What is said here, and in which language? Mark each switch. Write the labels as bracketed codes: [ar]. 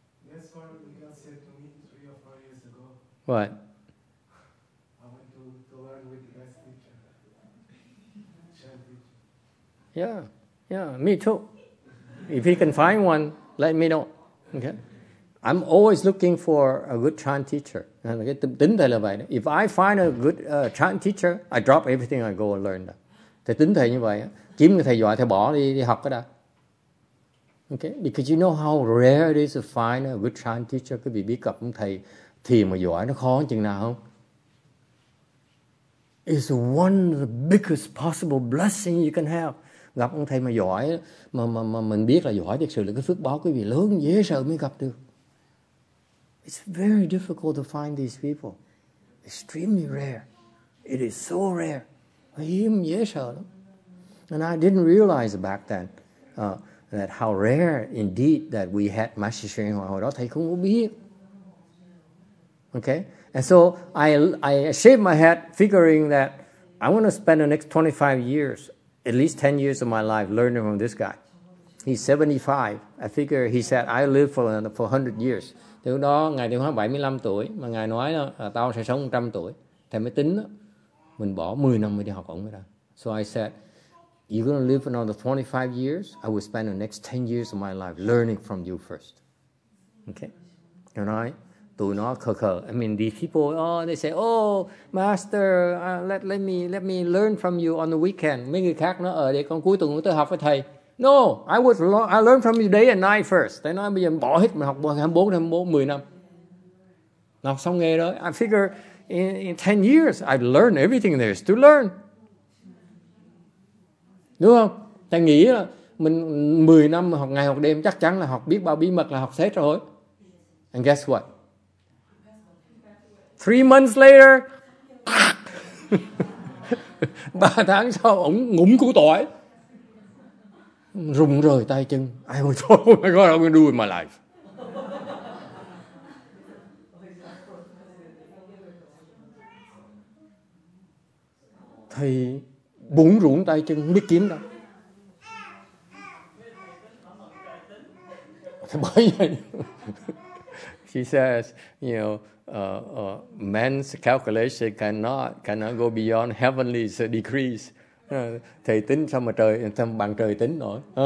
[en] That's what you can say to me 3 or 4 years ago. What? I want to learn with the best teacher. Yeah, me too. If you can find one, let me know. Okay. I'm always looking for a good Chan teacher. If I find a good Chan teacher, I drop everything I go and learn that. [vi] Thì tính thầy như vậy, kiếm người thầy giỏi thầy bỏ đi học cái đó. [en] Okay, because you know how rare it is to find a good Chan teacher. [vi] Quý vị biết gặp ông thầy thiền mà giỏi nó khó chừng nào không? [en] It's one of the biggest possible blessing you can have. [vi] Gặp ông thầy mà giỏi, mà mình biết là giỏi, thực sự là cái phước báo quý vị lớn dễ sợ mới gặp được. [en] It's very difficult to find these people. Extremely rare. It is so rare. [vi] Hiếm dễ sợ lắm. [en] And I didn't realize back then that how rare indeed that we had Master Sri Hoa. [vi] Hồi đó thầy không có biết. [en] Okay? And so I shaved my head figuring that I'm going to spend the next 25 years, at least 10 years of my life learning from this guy. He's 75. I figure he said I live for 100 years. [vi] Thì đó ngài Thiện Hóa 75 tuổi mà ngài nói là tao sẽ sống 100 tuổi. Thầy mới tính đó. Mình bỏ 10 năm mới đi học ổng ra. [en] So I said, you're going to live another 25 years. I will spend the next 10 years of my life learning from you first. Okay? And I, [vi] tụi nó khờ khờ. [en] I mean, these people, oh, they say, oh, master, let me learn from you on the weekend. [vi] Mấy người khác nó ở đây, con cuối tuần tôi học với thầy. [en] No, I learned from you day and night first. [vi] Thầy nói bây giờ bỏ hết, mình học 24, 10 năm. Học xong nghề rồi. [en] I figure in 10 years, I've learned everything there is to learn. [vi] Đúng không? Thầy nghĩ là mình 10 năm học ngày học đêm chắc chắn là học biết bao bí mật là học hết rồi. [en] And guess what? 3 months later, [vi] 3 tháng sau, ổng ngủm cú tỏi. Rụng rời tay chân. Ai ôi thôi, [en] oh my God, I'm going to do it in my life. [vi] Thầy bủn rủn tay chân, không biết kiếm đâu. Thầy bởi vậy. [en] She says, you know, man's calculation cannot go beyond heavenly decrees. [vi] Thầy tính sao mà trời, sao bằng trời tính nổi.